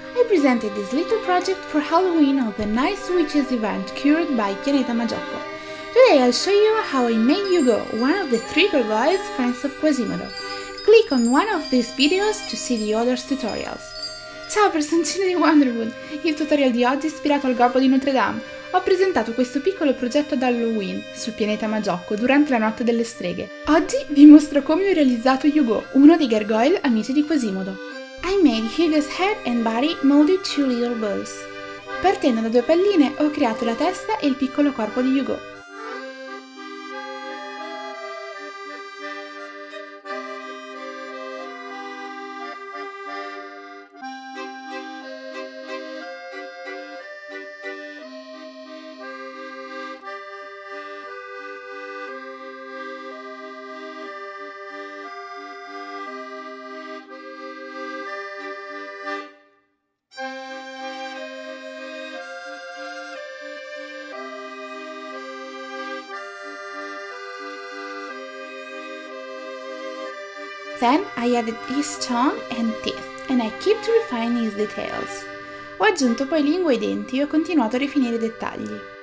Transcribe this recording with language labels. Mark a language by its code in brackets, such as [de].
[en] I presented this little project for Halloween of the Nice Witches event curated by Chianetta Maggioppo. Today I'll show you how I made Hugo, one of the three gargoyles friends of Quasimodo. Click on one of these videos to see the other tutorials. [it] Ciao personcine di Wonderwood! Il tutorial di oggi è ispirato al gobbo di Notre Dame. Ho presentato questo piccolo progetto ad Halloween sul pianeta Maggioppo durante la notte delle streghe. Oggi vi mostro come ho realizzato Hugo, uno dei gargoyle amici di Quasimodo. [en] I made Hugo's head and body molded two little balls. [it] Partendo da due palline ho creato la testa e il piccolo corpo di Hugo. [en] Then I added his tongue and teeth, and I kept refining his details. [it] Ho aggiunto poi lingua e denti e ho continuato a rifinire i dettagli.